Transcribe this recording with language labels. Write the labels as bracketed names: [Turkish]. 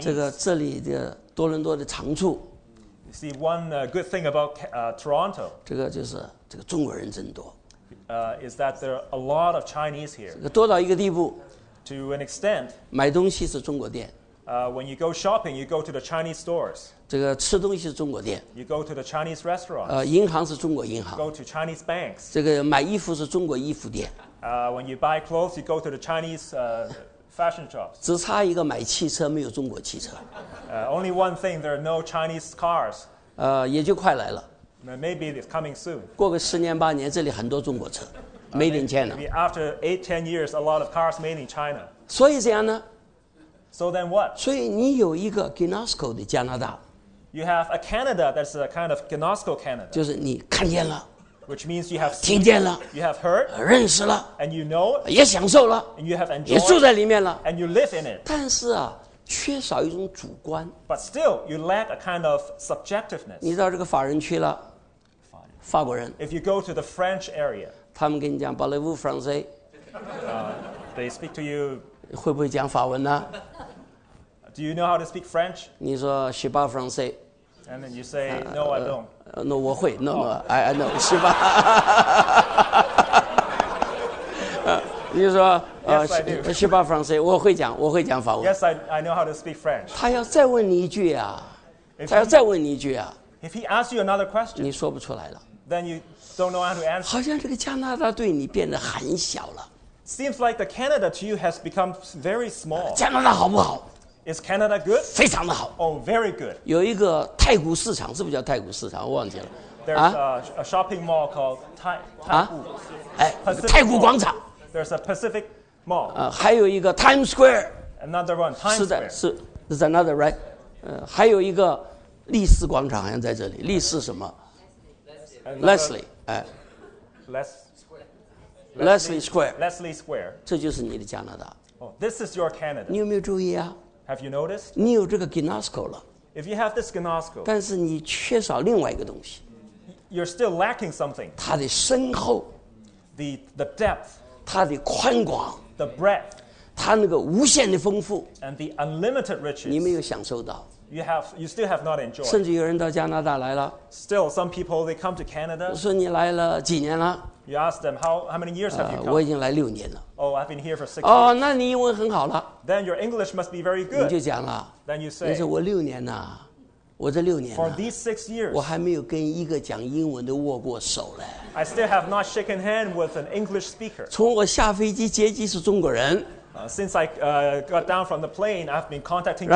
[Chinese] 这个这里的多伦多的长处 [English] ，You see one good thing about Toronto. [Chinese] 这个就是这个中国人真多。 [English] Is that there are a lot of Chinese here? [Chinese] 这个多到一个地步 [English] To an extent, [Chinese] 买东西是中国店 [English] When you go shopping, you go to the Chinese stores. [Chinese] 这个吃东西是中国店 [English] You go to the Chinese restaurants. [Chinese] 银行是中国银行 [English] Go to Chinese banks. [Chinese] 这个买衣服是中国衣服店 [English] When you buy clothes, you go to the Chinese fashion shops. [Chinese] 只差一个买汽车没有中国汽车 [English] Only one thing, there are no Chinese cars. [Chinese] 也就快来了。 [English] Maybe it's coming soon. [Chinese] 过个十年八年，这里很多中国车 ， [English] made in China. Maybe after 8-10 years, a lot of cars made in China. [Chinese] 所以怎样呢 [English] ？So then what? [Chinese] 所以你有一个 ginosko 的加拿大。 [English] You have a Canada that's a kind of ginosko Canada. [Chinese] 就是你看见了 [English] ，which means you have [Chinese] 听见了 [English] ，you have heard， [Chinese] 认识了 [English] ，and you know， [Chinese] 也享受了 [English] ，and you have enjoyed， [Chinese] 也住在里面了 [English] ，and you live in it. [Chinese] 但是啊。缺少一种主观。 [English] But still, you lack a kind of subjectiveness. [Chinese] 你到这个法人区了，法国人。 [English] If you go to the French area, [Chinese] 他们跟你讲 [French] Parlez-vous français? [English] They speak to you. [Chinese] 会不会讲法文呢 [English] ？Do you know how to speak French? [Chinese] 你说 [French] Je parle français. [English] And then you say, No, I don't. No, [Chinese] 我会。 [English] No, no, I know. [French] Je parle. [Chinese] 你说。 [English] Yes, I do. [French] Je parle français. [Chinese] 我会讲法文。 [English] Yes, I know how to speak French. [Chinese] 他要再问你一句啊，他要再问你一句啊。 [English] If he asks you another question, [Chinese] 你说不出来了。 [English] Then you don't know how to answer. [Chinese] 好像这个加拿大对你变得很小了。 [English] Seems like the Canada to you has become very small. [Chinese] 加拿大好不好 [English] ？Is Canada good? [Chinese] 非常的好。 [English] Oh, very good. [Chinese] 有一个太古市场，是不是叫太古市场？我忘记了。 [English] There's a shopping mall called Taiwan. [Chinese] 哎，太古广场。 [English] There's a Pacific. Mall. [Chinese] 还有一个 Times Square. [English] Another one, Times Square. [Chinese] 是的，是 [English] another right. [Chinese] 还有一个利斯广场，好像在这里。利斯什么 [English] ？Leslie. Leslie. Leslie Square. Leslie Square. [Chinese] 这就是你的加拿大。 [English] Oh, this is your Canada. [Chinese] 你有没有注意啊 [English] ？Have you noticed? [Chinese] 你有这个 ginosko 了。 [English] If you have this ginosko. [Chinese] 但是你缺少另外一个东西。 [English] You're still lacking something. [Chinese] 它的深厚。 [English] The depth. [Chinese] 它的宽广。 [English] The breadth, [Chinese] 他那个无限的丰富 [English] and the unlimited riches, [Chinese] 你没有享受到 [English] you still have not enjoyed. [Chinese] 甚至有人到加拿大来了 [English] still some people they come to Canada. [Chinese] 我说你来了几年了 [English] you ask them how many years have you come? [Chinese] 我已经来六年了 [English] oh I've been here for 6 years. [Chinese] 哦，那你英文很好了 [English] then your English must be very good. [Chinese] 你就讲了 [English] then you say, [Chinese] 你说我六年了我这六年 [English] For these 6 years, [Chinese] 我还没有跟一个讲英文的握过手嘞。 [English] I still have not shaken hand with an English speaker. [Chinese] 从我下飞机接机是中国人。 [English] Since I got down from the plane, I've been contacting.